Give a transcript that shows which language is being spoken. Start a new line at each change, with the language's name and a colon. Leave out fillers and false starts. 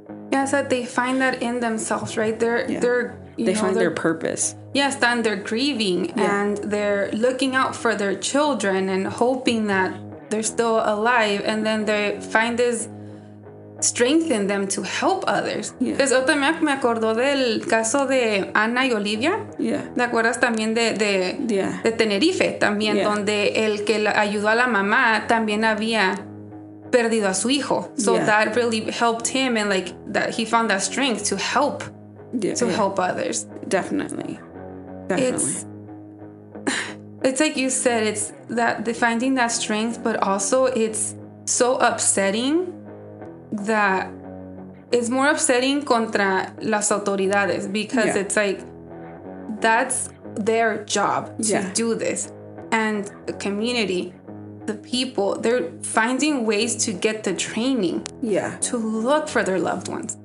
English: Yeah, it's that they find that in themselves, right? They find their purpose. Yes, then they're grieving and they're looking out for their children and hoping that they're still alive. And then they find this strength in them to help others. Yeah.
Spanish: Eso también me acordó del caso de Ana y Olivia.
English: Yeah.
Spanish: ¿Te acuerdas también de Tenerife? También donde el que ayudó a la mamá también había perdido a su hijo.
English: So that really helped him, and like that he found that strength to help help others. Definitely. It's like you said, it's that the finding that strength, but also it's so upsetting that it's more upsetting
Spanish: contra las autoridades,
English: because it's like that's their job to do this, and the community, the people, they're finding ways to get the training to look for their loved ones.